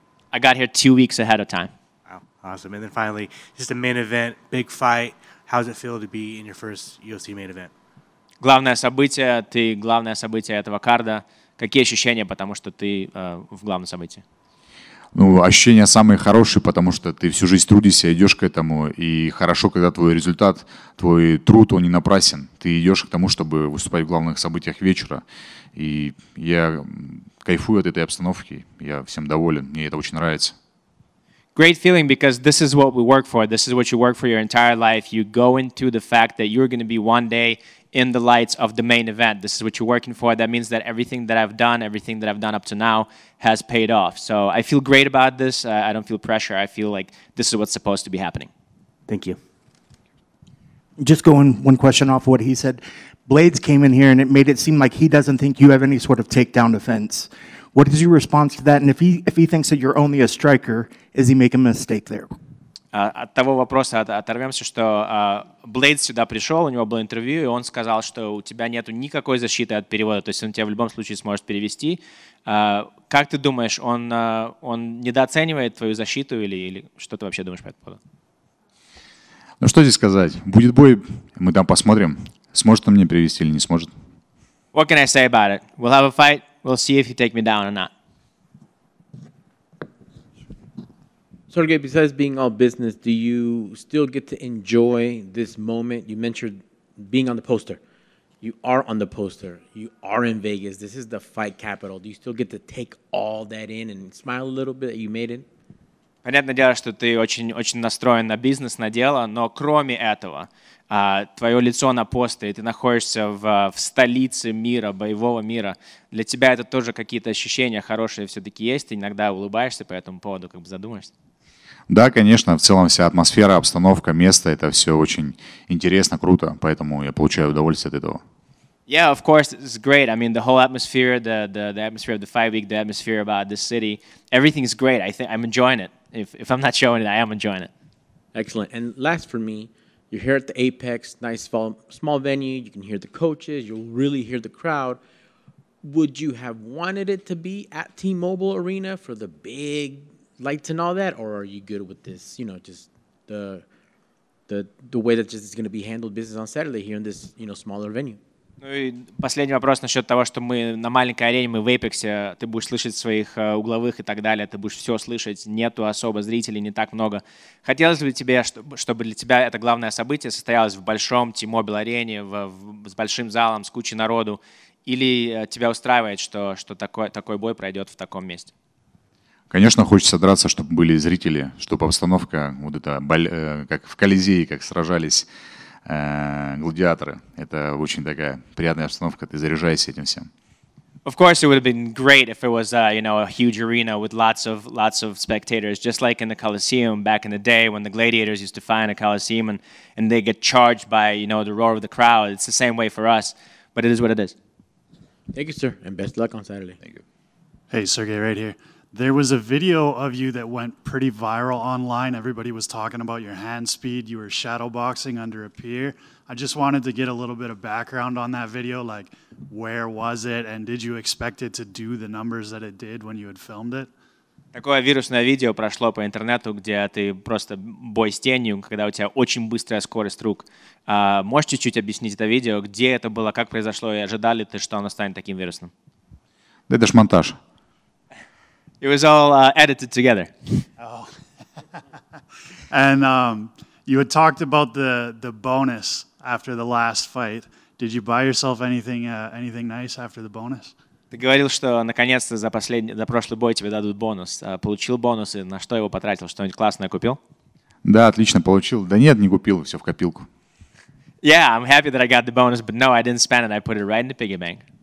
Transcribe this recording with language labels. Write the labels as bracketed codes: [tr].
[en] I got here 2 weeks ahead of time. Wow, awesome. And then finally, just a main event, big fight. How does it feel to be in your first UFC main event? [ru] Главное событие этого карда. Какие ощущения, потому что ты в главном событии? Ну, ощущения самые хорошие, потому что ты всю жизнь трудишься, идешь к этому, и хорошо, когда твой результат, твой труд, он не напрасен. Ты идешь к тому, чтобы выступать в главных событиях вечера. И я кайфую от этой обстановки, я всем доволен, мне это очень нравится. [en] Great feeling, because this is what we work for. This is what you work for your entire life. You go into the fact that you're going to be one day in the lights of the main event. This is what you're working for. That means that everything that I've done up to now has paid off. So I feel great about this. I don't feel pressure. I feel like this is what's supposed to be happening. Thank you. Just going one question off what he said. Blaydes came in here and it made it seem like he doesn't think you have any sort of takedown defense. What is your response to that? And if he thinks that you're only a striker, is he making a mistake there? [ru] От того вопроса оторвемся, что Блейд сюда пришел, у него было интервью, и он сказал, что у тебя нет никакой защиты от перевода, то есть он тебя в любом случае сможет перевести. Как ты думаешь, он недооценивает твою защиту или что ты вообще думаешь по этому поводу? Ну что здесь сказать? Будет бой, мы там посмотрим, сможет он мне перевести или не сможет. [en] What can I say about it? We'll have a fight. We'll see if you take me down or not. Sergei, besides being all business, do you still get to enjoy this moment? You mentioned being on the poster. You are on the poster. You are in Vegas. This is the fight capital. Do you still get to take all that in and smile a little bit that you made it? [ru] Понятное дело, что ты очень-очень настроен на бизнес, на дело, но кроме этого, твое лицо на посте, и ты находишься в столице мира, боевого мира, для тебя это тоже какие-то ощущения хорошие все-таки есть, ты иногда улыбаешься по этому поводу, как бы задумаешься. Да, конечно, в целом вся атмосфера, обстановка, место, это все очень интересно, круто, поэтому я получаю удовольствие от этого. [en] Yeah, of course, it's great. I mean, the whole atmosphere, the atmosphere of the fight week, the atmosphere about this city, everything is great. I think I'm enjoying it. If I'm not showing it, I am enjoying it. Excellent. And last for me, you're here at the Apex, nice small venue. You can hear the coaches. You'll really hear the crowd. Would you have wanted it to be at T-Mobile Arena for the big lights and all that, or are you good with this? You know, just the way that just is going to be handled business on Saturday here in this, you know, smaller venue. [ru] Ну и последний вопрос насчет того, что мы на маленькой арене, мы в Эпексе, ты будешь слышать своих угловых и так далее, ты будешь все слышать, нету особо зрителей, не так много. Хотелось бы тебе, чтобы для тебя это главное событие состоялось в большом T-Mobile арене, с большим залом, с кучей народу, или тебя устраивает, что такой бой пройдет в таком месте? Конечно, хочется драться, чтобы были зрители, чтобы обстановка, вот это, как в Колизее, как сражались гладиаторы. Это очень такая приятная обстановка. Ты заряжаешься этим всем. [en] Of course, it would have been great if it was, you know, a huge arena with lots of spectators, just like in the Colosseum back in the day when the gladiators used to find a Colosseum and they get charged by, you know, the roar of the crowd. It's the same way for us, but it is what it is. Thank you, sir, and best luck on Saturday. Thank you. Hey, Sergei, right here. There was a video of you that went pretty viral online. Everybody was talking about your hand speed. You were shadow boxing under a pier. I just wanted to get a little bit of background on that video. Like, where was it? And did you expect it to do the numbers that it did when you had filmed it? [ru] Такое вирусное видео прошло по интернету, где ты просто бой с тенью, когда у тебя очень быстрая скорость рук. Можешь чуть-чуть объяснить это видео? Где это было? Как произошло? И ожидали ты, что оно станет таким вирусным? Да это ж монтаж. [en] It was all edited together. Oh. And you had talked about the bonus after the last fight. Did you buy yourself anything nice after the bonus? [ru] Ты говорил, что наконец-то за прошлый бой тебе дадут бонус. Получил бонус и на что его потратил? Что-нибудь классное купил? Да, отлично получил. Да нет, не купил, все в копилку. [en] Yeah, I'm happy that I got the bonus, but no, I didn't spend it. I put it right in the piggy bank.